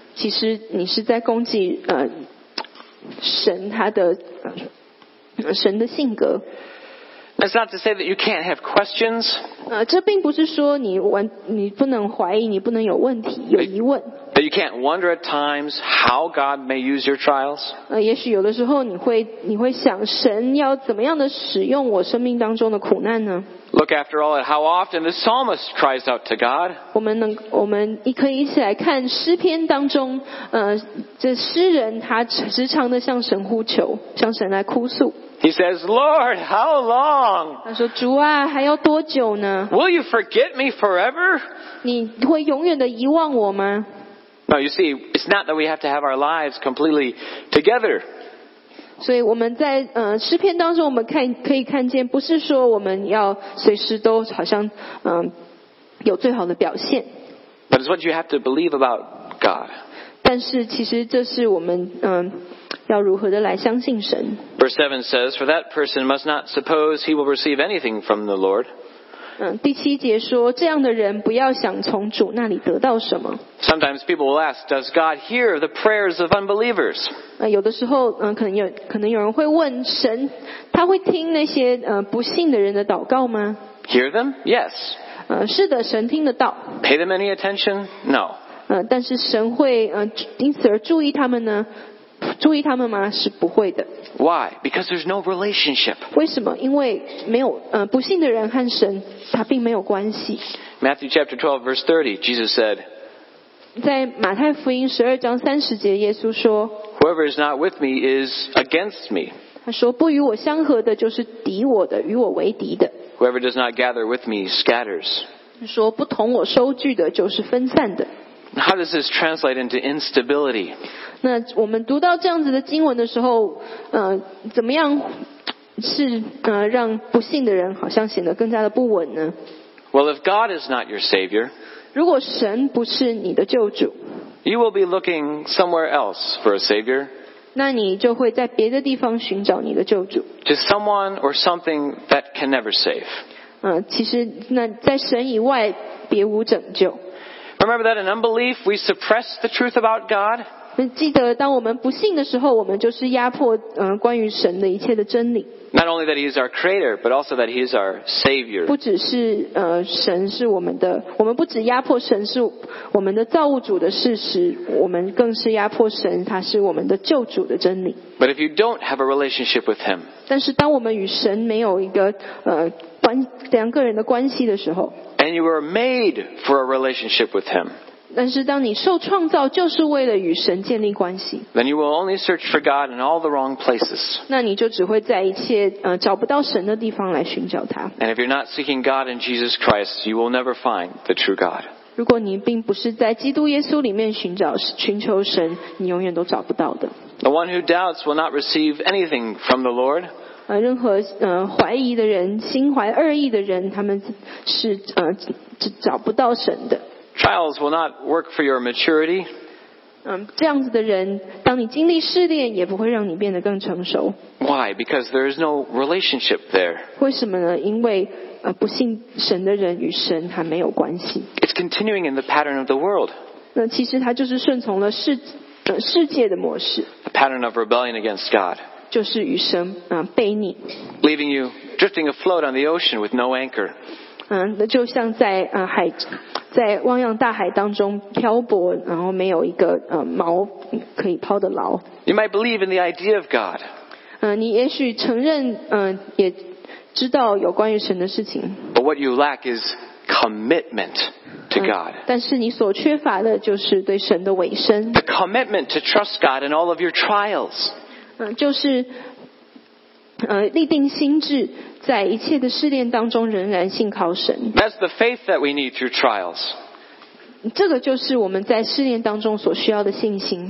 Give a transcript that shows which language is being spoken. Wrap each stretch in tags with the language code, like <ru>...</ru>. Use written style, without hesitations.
<zh>其实你是在攻击神他的。神的性格。</zh> <en>That's not to say that you can't have questions.</en> <zh>这并不是说你不能怀疑，你不能有问题，有疑问。</zh> <en>But you can't wonder at times how God may use your trials.</en> <zh>也许有的时候你会想，神要怎么样的使用我生命当中的苦难呢？</zh> <en>Look after all at how often the psalmist cries out to God.</en> <zh>我们可以一起来看诗篇当中，这诗人他时常的向神呼求，向神来哭诉。</zh> <en>He says, "Lord, how long?"</en> <zh>他说：“主啊，还要多久呢？”</zh> <en>Will you forget me forever?</en> <zh>你会永远的遗忘我吗？</zh> <en>No, you see, it's not that we have to have our lives completely together.</en> <zh>所以我们在诗篇当中，我们可以看见，不是说我们要随时都好像有最好的表现。</zh> <en>But it's what you have to believe about God.</en> <zh>但是其实这是我们要如何的来相信神。</zh> <en>Verse 7 says, For that person must not suppose he will receive anything from the Lord.</en> <zh>第七节说，这样的人不要想从主那里得到什么。</zh> <en>Sometimes people will ask, Does God hear the prayers of unbelievers?</en> <zh>有的时候可能有人会问，神他会听那些不信的人的祷告吗？</zh> <en>Hear them? Yes.</en> <zh>是的，神听得到。</zh> <en>Pay them any attention? No.</en> <zh>但是神会因此而注意他们呢？注意他们吗？是不会的。</zh> <en>Why? Because there's no relationship.</en> <zh>为什么？因为没有不信的人和神他并没有关系。</zh> <en>Matthew chapter 12 verse 30, Jesus said.</en> <zh>在马太福音十二章三十节，耶稣说。</zh> <en>Whoever is not with me is against me.</en> <zh>他说不与我相合的，就是敌我的，与我为敌的。</zh> <en>Whoever does not gather with me scatters.</en> <zh>说不同我收聚的，就是分散的。</zh> <en>How does this translate into instability?</en> <zh>那我们读到这样子的经文的时候，怎么样是让不信的人好像显得更加的不稳呢？</zh> <en>Well, if God is not your savior,</en> <zh>如果神不是你的救主，</zh> <en>you will be looking somewhere else for a savior.</en> <zh>那你就会在别的地方寻找你的救主。</zh> <en>To someone or something that can never save.</en> <zh>其实那在神以外别无拯救。</zh> <en>Remember that in unbelief we suppress the truth about God.</en> <zh>记得当我们不信的时候，我们就是压迫关于神的一切的真理。</zh> <en>Not only that He is our Creator, but also that He is our Savior.</en> <zh>不只是神是我们的，我们不只压迫神是我们的造物主的事实，我们更是压迫神，他是我们的救主的真理。</zh> <en>But if you don't have a relationship with Him,</en> <zh>但是当我们与神没有一个两个人的关系的时候。</zh> <en>And you were made for a relationship with Him.</en> <zh>但是当你受创造，就是为了与神建立关系。</zh> <en>Then you will only search for God in all the wrong places.</en> <zh>那你就只会在一切找不到神的地方来寻找他。</zh> <en>And if you're not seeking God in Jesus Christ, you will never find the true God.</en> <zh>如果你并不是在基督耶稣里面寻求神，你永远都找不到的。</zh> <en>The one who doubts will not receive anything from the Lord.</en> <zh>任何怀疑的人，心怀恶意的人，他们是找不到神的。</zh> <en>Trials will not work for your maturity.</en> <zh>这样子的人，当你经历试炼，也不会让你变得更成熟。</zh> <en>Why? Because there is no relationship there.</en> <zh>为什么呢？因为不信神的人与神他没有关系。</zh> <en>It's continuing in the pattern of the world.</en> <zh>那其实他就是顺从了世界的模式。</zh> <en>The pattern of rebellion against God.</en> <zh>就是与神悖逆</zh> <en>leaving you drifting afloat on the ocean with no anchor.</en> <zh>就像在海在汪洋大海当中漂泊，然后没有一个锚可以抛得牢。</zh> <en>You might believe in the idea of God.</en> <zh>你也许承认也知道有关于神的事情。</zh> <en>But what you lack is commitment to God.</en> <zh>但是你所缺乏的就是对神的委身。</zh> <en>The commitment to trust God in all of your trials.</en> <zh>就是立定心志，在一切的试炼当中仍然信靠神。</zh> <en>That's the faith that we need through trials.</en> <zh>这个就是我们在试炼当中所需要的信心。</zh>